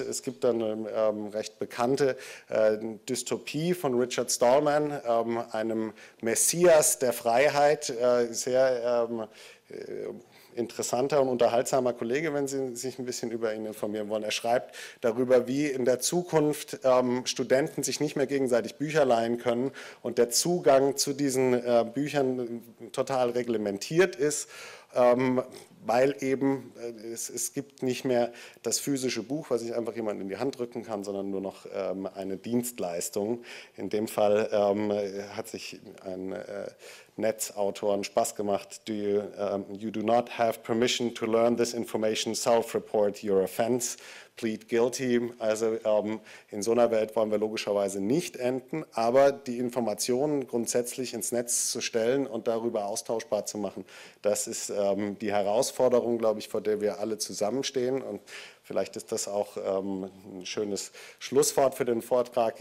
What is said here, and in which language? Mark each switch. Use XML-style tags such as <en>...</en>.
<de>Es gibt dann eine recht bekannte Dystopie von Richard Stallman, einem Messias der Freiheit, sehr interessanter und unterhaltsamer Kollege, wenn Sie sich ein bisschen über ihn informieren wollen. Er schreibt darüber, wie in der Zukunft Studenten sich nicht mehr gegenseitig Bücher leihen können und der Zugang zu diesen Büchern total reglementiert ist, weil eben es gibt nicht mehr das physische Buch, was ich einfach jemand in die Hand drücken kann, sondern nur noch eine Dienstleistung. In dem Fall hat sich ein Netzautor einen Spaß gemacht.</de> <en>You do not have permission to learn this information, self-report your offense, plead guilty.</en> <de>Also in so einer Welt wollen wir logischerweise nicht enden, aber die Informationen grundsätzlich ins Netz zu stellen und darüber austauschbar zu machen, das ist die Herausforderung, glaube ich, vor der wir alle zusammenstehen. Und vielleicht ist das auch ein schönes Schlusswort für den Vortrag.</de>